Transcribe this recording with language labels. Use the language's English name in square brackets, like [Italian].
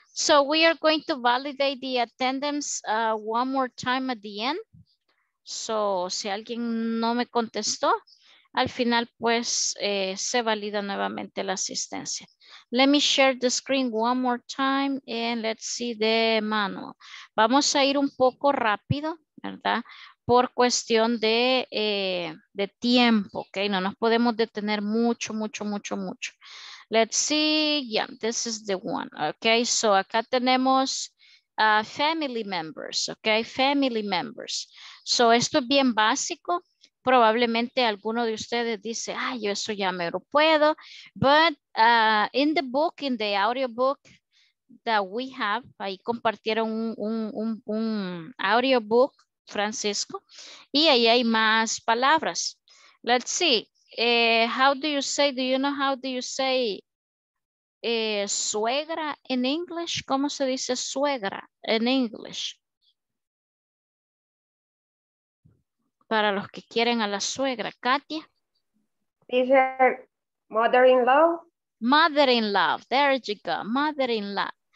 [English] So we are going to validate the attendance one more time at the end. [Spanish] So si alguien no me contestó, al final pues se valida nuevamente la asistencia. [English] Let me share the screen one more time and let's see the manual. [Spanish] Vamos a ir un poco rápido, ¿verdad? Por cuestión de tiempo, ¿ok? No nos podemos detener mucho, mucho, mucho, mucho. [English] Let's see, yeah, this is the one, ¿ok? [Spanish] So acá tenemos family members, ¿ok? Family members. So esto es bien básico. Probablemente alguno de ustedes dice, ay, yo eso ya me lo puedo. [English] But in the book, in the audio book that we have, [Spanish] ahí compartieron un audio book, Francisco, y ahí hay más palabras. [English] Let's see, how do you say, do you know how do you say suegra in English? [Spanish] ¿Cómo se dice suegra [English] in English? [Spanish] Para los que quieren a la suegra, Katia. Dice mother-in-law. [English] Mother-in-law, there you go, mother-in-law.